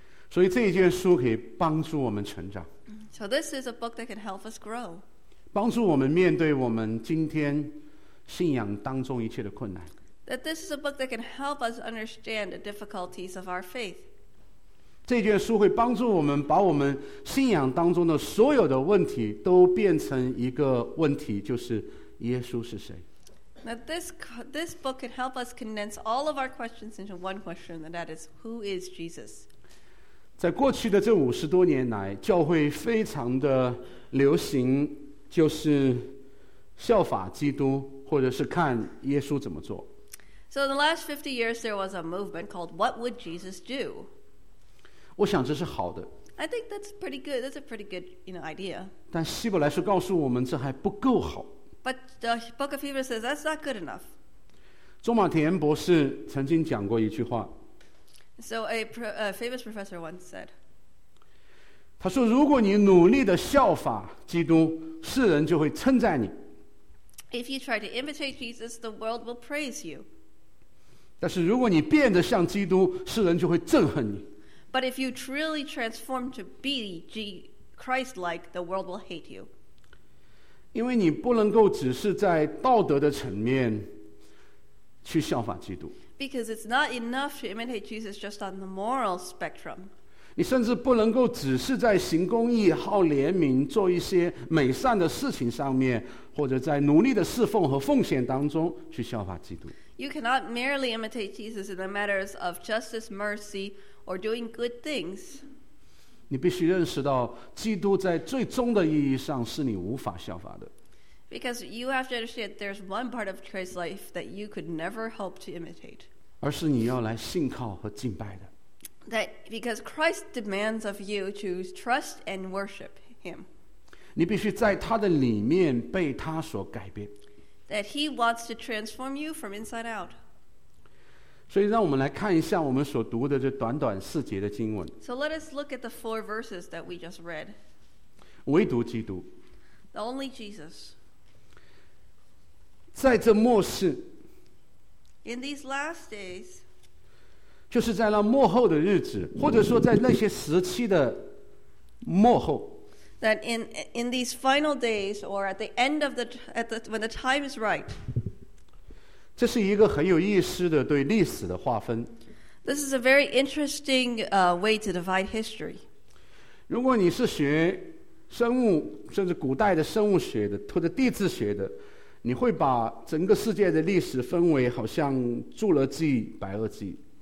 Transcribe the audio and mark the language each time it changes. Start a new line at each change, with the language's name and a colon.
Chinese: 所以这一卷书可以帮助我们成长。
English: So this is a book that can help us grow.
Chinese: 帮助我们面对我们今天信仰当中一切的困难。
English: That this is a book that can help us understand the difficulties of our faith.
Chinese: 这卷书会帮助我们把我们信仰当中的所有的问题都变成一个问题，就是耶稣是谁。
English: Now this book can help us condense all of our questions into one question, and that is, who is Jesus?
Chinese: 在过去的这五十多年来，教会非常的流行，就是效法基督，或者是看耶稣怎么做。
English: So in the last 50 years, there was a movement called What Would Jesus Do?
Chinese: 我想这是好的。
English: I think that's pretty good. That's a pretty good, you know, idea.
Chinese: 但希伯来书告诉我们这还不够好。
English: But the book of Hebrews says that's not good enough.
Chinese: 中马田博士曾经讲过一句话。
English: So a famous professor once said.
Chinese: 他说如果你努力地效法基督，世人就会称赞你。
English: If you try to imitate Jesus, the world will praise you.
Chinese: 但是如果你变得像基督，世人就会憎恨你。
English: But if you truly transform to be Christ-like, the world will hate you.
Chinese: 因为你不能够只是在道德的层面去效法基督。
English: Because it's not enough to imitate Jesus just on the moral spectrum.
Chinese: 你甚至不能够只是在行公义、好怜悯、做一些美善的事情上面，或者在努力的侍奉和奉献当中去效法基督。
English: You cannot merely imitate Jesus in the matters of justice, mercy, or doing good things.
Chinese: 你必须认识到基督在最终的意义上是你无法效法的。
English: Because you have to understand there's one part of Christ's life that you could never hope to imitate.
Chinese: 而是你要来信靠和敬拜的。
English: That because Christ demands of you to trust and worship him.
Chinese: 你必须在他的里面被他所改变。
English: That he wants to transform you from inside out.
Chinese: 所以让我们来看一下我们所读的这短短四节的经文。
English: So let us look at the four verses that we just read.
Chinese: 唯独基督。
English: The only Jesus.
Chinese: 在这末世。
English: In these last days.
Chinese: 就是在那末后的日子，或者说在那些时期的末后。
English: That in these final days, or at the end of the when the time is right.
Chinese: 这是一个很有意思的对历史的划分。
English: This is a very interesting way to divide history.
Chinese: 如果你是学生物，甚至古代的生物学的或者地质学的，你会把整个世界的历史分为好像侏罗纪、白垩纪。